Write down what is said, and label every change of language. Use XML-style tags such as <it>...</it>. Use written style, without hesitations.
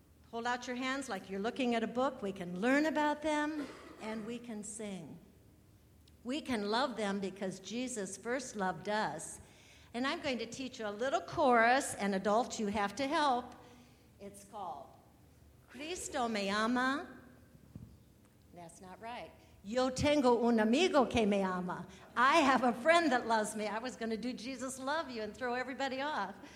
<en>Hold out your hands like you're looking at a book. We can learn about them, and we can sing. We can love them because Jesus first loved us. And I'm going to teach you a little chorus, and adults, you have to help. It's called</en> <es>Cristo me ama.</es> <en>That's not right.</en> <es>Yo tengo un amigo que me ama.</es> <en>I have a friend that loves me. I was going to do Jesus love you and throw everybody off.</en>